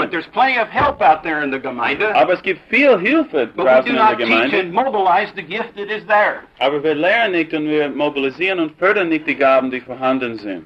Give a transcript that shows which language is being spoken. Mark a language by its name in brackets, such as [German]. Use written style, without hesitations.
[English] But there's plenty of help out there in the Gemeinde. [German] Aber es gibt viel Hilfe draußen in der Gemeinde. [English] But we do not teach and mobilize the gift that is there. [German] Aber wir lernen nicht und wir mobilisieren und fördern nicht die Gaben, die vorhanden sind.